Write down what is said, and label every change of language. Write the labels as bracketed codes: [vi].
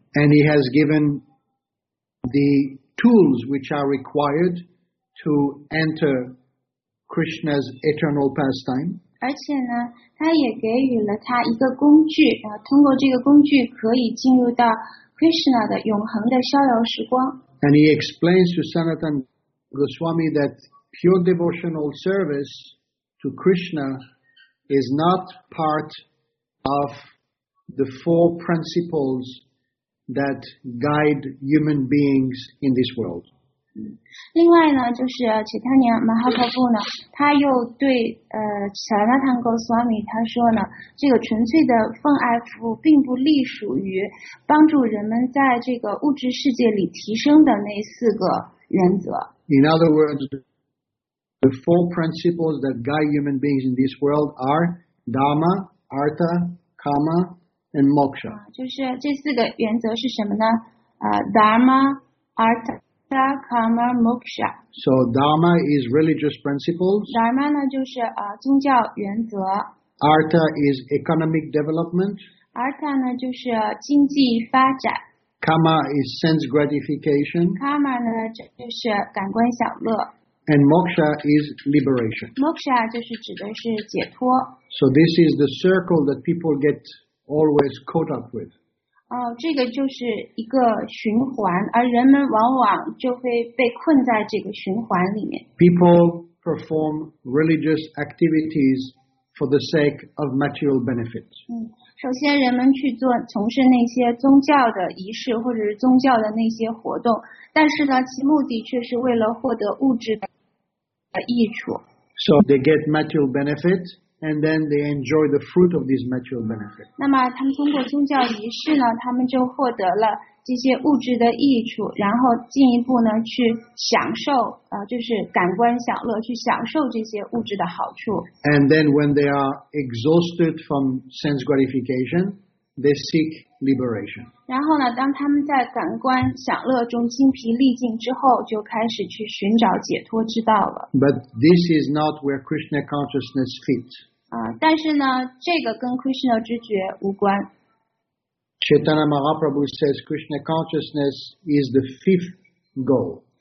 [en] And he has given the tools which are required to enter. Krishna's eternal pastime. [zh] 而且呢，他也给予了他一个工具，通过这个工具可以进入到 Krishna 的永恒的逍遥时光。 [en] And he explains to Sanatan Goswami that pure devotional service to Krishna is not part of the four principles that guide human beings in this world. [zh] 另外呢，就是其他年马哈帕布呢，他又对萨拉坦戈斯瓦米他说呢，这个纯粹的奉爱服务并不隶属于帮助人们在这个物质世界里提升的那四个原则。 [en] In other words, the four principles that guide human beings in this world are dharma, artha, kama, and moksha. [zh] 就是这四个原则是什么呢？ [sa] dharma, artha. Karma, moksha. [en] So dharma is religious principles. [zh] Dharma 呢就是宗教原则。 [en] Artha is economic development. [zh] Artha 呢就是经济发展。 [en] Karma is sense gratification. [zh] Karma 呢就是感官享乐。 [en] And moksha is liberation. [zh] Moksha 就是指的是解脱。 [en] So this is the circle that people get always caught up with. [zh] 这个就是一个循环，而人们往往就会被困在这个循环里面。 [en] People perform religious activities for the sake of material benefit. [zh] 首先人们去做从事那些宗教的仪式或者是宗教的那些活动，但是呢其目的却是为了获得物质的益处。 [en] So they get material benefit, and then they enjoy the fruit of these material benefits. [zh] 那么他们通过宗教仪式呢，他们就获得了这些物质的益处，然后进一步呢去享受，就是感官享乐，去享受这些物质的好处。 [en] And then when they are exhausted from sense gratification, they seek liberation. [zh] 然后呢，当他们在感官享乐中精疲力尽之后，就开始去寻找解脱之道了。 [en] But this is not where Krishna consciousness fits. [zh] 但是呢，这个跟 Krishna 知觉无关。 [en] Chaitanya Mahaprabhu says Krishna consciousness is the fifth goal.